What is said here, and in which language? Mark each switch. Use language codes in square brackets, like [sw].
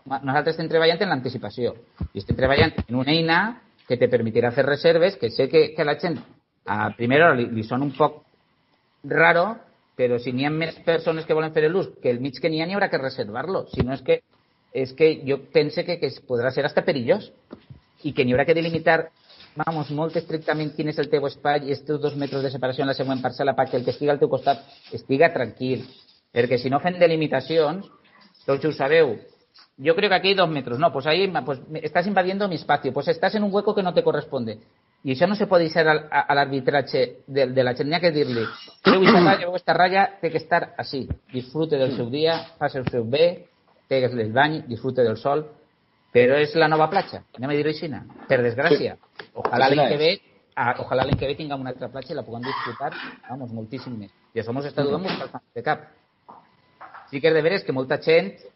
[ca] Nosaltres estem treballant en l'anticipació. I estem treballant en una eina que te permetirà fer reserves, que sé que la gent a primera hora li sona un poc raro, però si n'hi ha més persones que volen fer el ús, que el mig que n'hi haurà que reservar-lo. Si no, és que jo penso que podrà ser hasta perillós i que n'hi haurà que delimitar, vamos, molt estrictament quin és el teu espai i els teus 2 metres de separació en la següent parcel·la perquè el que estigui al teu costat estigui tranquil. Perquè si no fent delimitacions, tots ho sabeu, jo crec que aquí hi ha 2 metres, no, [es] pues ahí pues estás invadiendo mi espacio, pues estás en un hueco que no te corresponde. [ca] I això no se pot deixar a l'arbitratge de la gent, n'hi ha que dir-li, creu aquesta ratlla, té que estar així, disfrute del seu dia, passa el seu bé, pegues el bany, disfrute del sol, però és la nova platja, anem a dir-ho així, per desgràcia. Ojalà l'any que ve tinguem una altra platja i la puguem disfrutar, vamos, moltíssim més. I això mos està donant molt de cap. Sí que és de veres que molta gent